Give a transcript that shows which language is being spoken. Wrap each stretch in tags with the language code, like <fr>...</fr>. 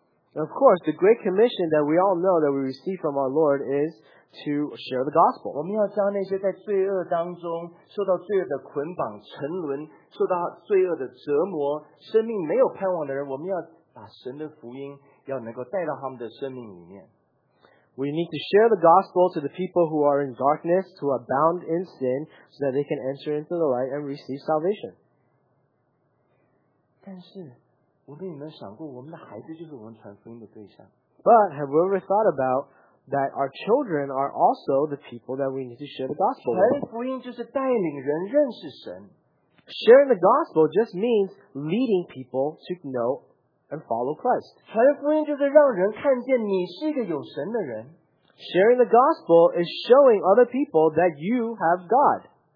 <en>Of course, the great commission that we all know that we receive from our Lord is to share the gospel.</en> <zh>我们要将那些在罪恶当中受到罪恶的捆绑、沉沦、受到罪恶的折磨、生命没有盼望的人，我们要把神的福音要能够带到他们的生命里面。</zh> <en>We need to share the gospel to the people who are in darkness, who are bound in sin, so that they can enter into the light and receive salvation.</en> <zh>但是</zh> <en>But have we ever thought about that our children are also the people that we need to share the gospel with?</en> <zh>传福音就是带领人认识神。</zh> <en>Sharing the gospel just means leading people to know and follow Christ.</en> <zh>传福音就是让人看见你是一个有神的人。</zh> <en>Sharing the gospel is showing other people that you have God.</en>